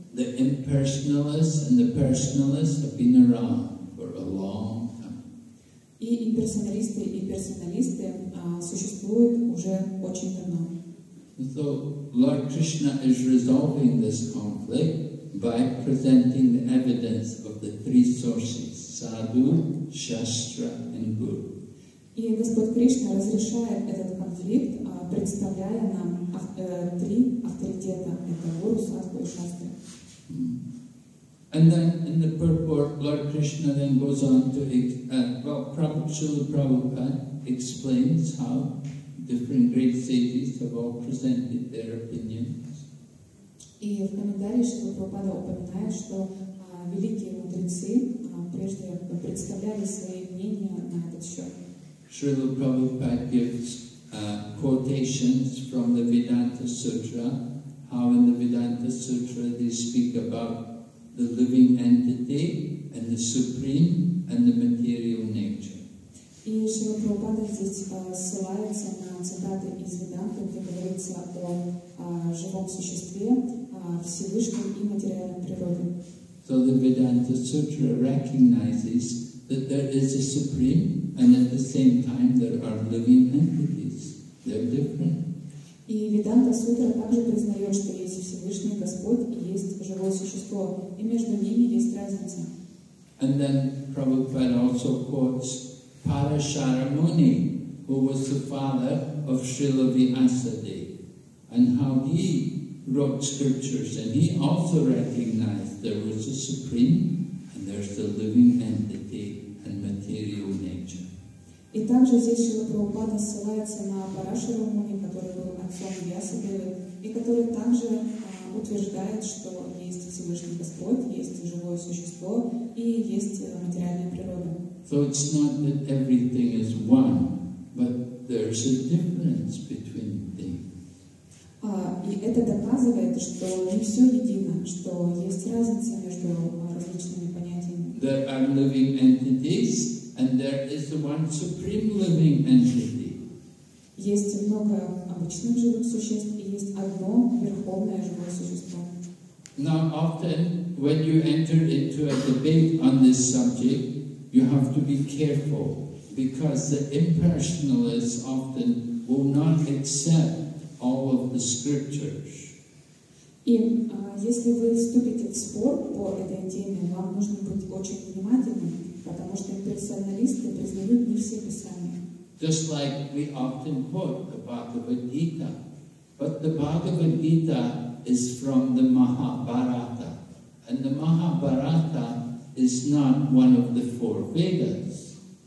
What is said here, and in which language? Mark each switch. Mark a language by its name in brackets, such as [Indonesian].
[English] The impersonalists and the personalists have been around for a long time. [Russian] И имперсоналисты и персоналисты существуют уже очень давно. [English] So Lord Krishna is resolving this conflict by presenting the evidence of the three sources, sadhu, shastra, and guru. [Russian] И Господь Кришна разрешает этот конфликт, представляя нам три авторитета, это гуру, садху и шастра. [English] And then in the purport, Lord Krishna then goes on to Prabhupada explains how different great sages have all presented their opinion. [Russian] И в комментарии Шрила Прабхупада упоминает, что великие мудрецы прежде представляли свои мнения на этот счет. [English] Шрила Прабхупада gives quotations from the Vedanta Sutra, how in the Vedanta Sutra they speak about the living entity and the supreme and the material nature. [Russian] И Шрила Прабхупада здесь ссылается на цитаты из Веданты, где говорится о живом существе, Всевышнем и материальной природе. [English] So the Vedanta Sutra recognizes that there is a supreme and at the same time there are living entities. They're different. [Russian] И Веданта Сутра также признает, что есть Всевышний Господь и есть живое существо, и между ними есть разница. [English] And then Prabhupada also quotes Parasharamuni, who was the father of Srila Vyasadeva, and how he wrote scriptures, and he also recognized there was a supreme, and there's the living entity and material nature. [Russian] И также здесь Шрила Прабхупада ссылается на Парашарамуни, который был отцом Вьясадевы, и который также утверждает, что есть Всевышний Господь, есть живое существо, и есть материальная природа. [English] So it's not that everything is one, but there's a difference between things. [Russian] И это доказывает, что не все едино, что есть разница между различными понятиями. [English] There are living entities, and there is the one supreme living entity. [Russian] Есть много обычных живых существ, и есть одно верховное живое существо. [English] Now, often, when you enter into a debate on this subject, you have to be careful, because the impersonalists often will not accept all of the scriptures. [Russian] И если вы вступите в спор по этой теме, вам нужно быть очень внимательным, потому что имперсоналисты признают не все писания. [English] Just like we often quote the Bhagavad Gita, but the Bhagavad Gita is from the Mahabharata, and the Mahabharata is not one of the four Vedas.